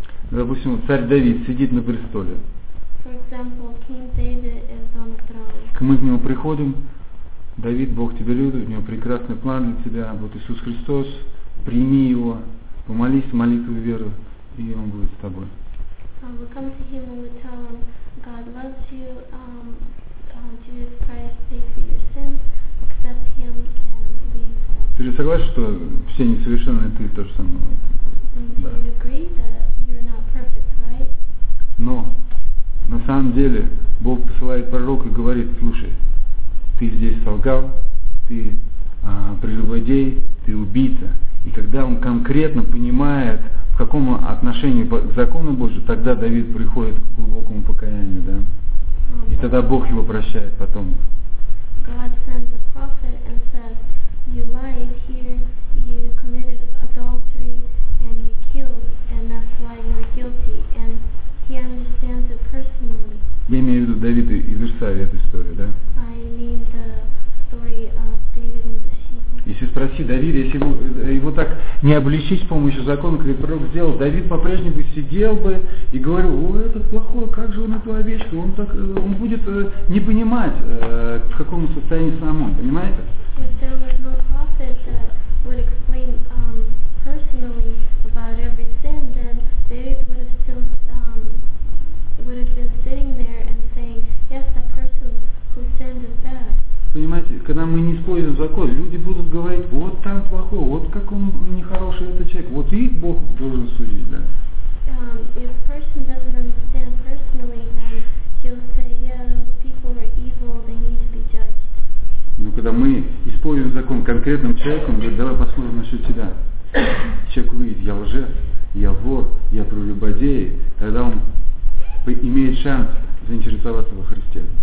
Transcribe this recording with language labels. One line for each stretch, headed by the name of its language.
Russian: Допустим, царь Давид сидит на престоле.
English: For example, King David is on the throne.
Russian: Мы к нему приходим. Давид, Бог тебя любит, у него прекрасный план для тебя. Вот Иисус Христос, прими его, помолись молитву веры, и он будет с тобой.
English: We come to him and we tell him, God loves you, Jesus Christ, pay for your sins, accept him and leave.
Russian: Ты же согласен, что все несовершенные, ты тоже самое?
English: Do you agree that you're not perfect, right?
Russian: Но, на самом деле, Бог посылает пророка и говорит, слушай, ты здесь солгал, ты прелюбодей, ты убийца. И когда он конкретно понимает, в каком отношении к закону Божию, тогда Давид приходит к глубокому покаянию, да? И тогда Бог его прощает потом.
English: God sent the prophet and said, you lied here, you committed adultery, and you killed, and that's why you're guilty. And he understands it personally.
Russian: Я имею в виду Давида и Версави, эту историю, да?
English: I mean the story of David and Bathsheba.
Russian: Если спроси Давида, если бы его так не обличить с помощью закона, как пророк сделал, Давид по-прежнему сидел бы и говорил, о, этот плохой, как же он эту овечку, он так, он будет не понимать, в каком состоянии сам он, понимаете?
English: If there was no prophet that would explain personally about every sin, then David would have still would have been sitting there and saying, yes, the person who sinned is bad.
Russian: Понимаете, когда мы не используем закон, люди будут говорить, вот там плохо, вот как он нехороший этот человек, вот и Бог должен судить, да?
English: If a person doesn't understand personally, then he'll say, yeah, those people are evil, they need to be judged.
Russian: Но когда мы используем закон конкретным человеком, говорит, давай посмотрим насчет тебя. Человек увидит, я лжец, я вор, я прелюбодей, тогда он имеет шанс заинтересоваться во Христе.